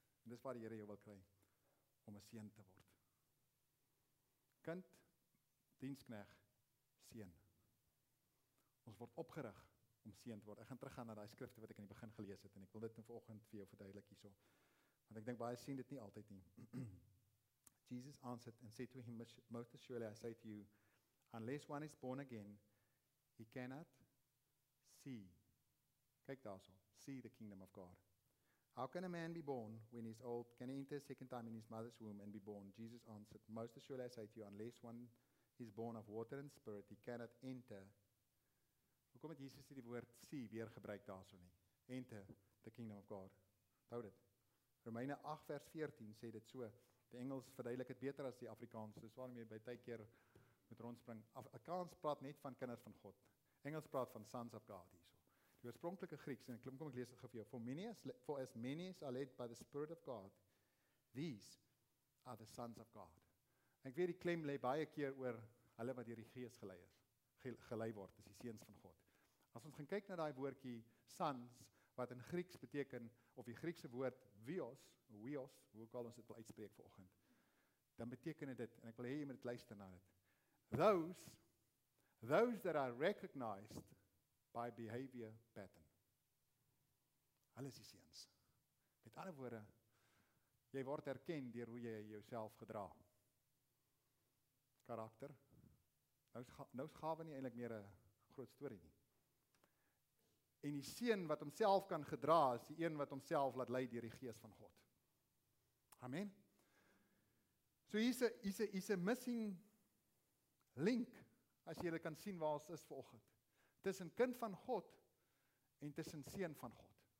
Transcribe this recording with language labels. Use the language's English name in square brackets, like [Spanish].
[Afrikaans] En dis waar die Here jou wil kry, om 'n seun te word. Kind, dienskneg, seun. Ons word opgerig om seun te word. Ek gaan teruggaan na daai skrifte wat ek in die begin gelees het, en ek wil dit in vanoggend vir jou verduidelik hierso. Want ek dink baie sien dit nie altyd nie. [English] Jesus answered and said to him, most assuredly I say to you, unless one is born again, he cannot see. [Afrikaans] Kyk daarso, [English] see the kingdom of God. How can a man be born when he's old? Can he enter a second time in his mother's womb and be born? Jesus answered, most assuredly I say to you, unless one is born of water and spirit, he cannot enter. [Afrikaans] Hoekom het Jesus die woord see weer gebruik daarso nie? [English] Enter the kingdom of God. [Afrikaans] Onthou dit. Romeine 8 vers 14 sê dit so. Die Engels verduidelik het beter as die Afrikaans. Dis waarom jy by tyd keer moet rondspring. Afrikaans praat net van kinders van God. Engels praat van [English] sons of God [Afrikaans] hierso. Die oorspronklike Grieks, en kom ek lees dit gou vir jou. [English] For as many as are led by the Spirit of God, these are the sons of God. [Afrikaans] En ek weet die klem lê baie keer oor hulle wat deur die Gees gelei is. Gelei word, is die seuns van God. As ons gaan kyk na daai woordjie sons, wat in Grieks beteken, of die Griekse woord weos, hoe ook al ons dit wil uitspreek vir oggend, dan beteken dit, en ek wil hê jy moet luister na dit, [English] those that are recognized by behavior pattern. [Afrikaans] Hulle is die seuns. Met ander woorde, jy word erken deur hoe jy jouself gedra. Karakter. Nou is gawe nie eintlik meer 'n groot storie nie. En die seun wat homself kan gedra, is die een wat homself laat lei deur die Gees van God. Amen. So hier's 'n missing link, as jy dit kan sien waar ons is vanoggend. Tussen kind van God en tussen seun van God.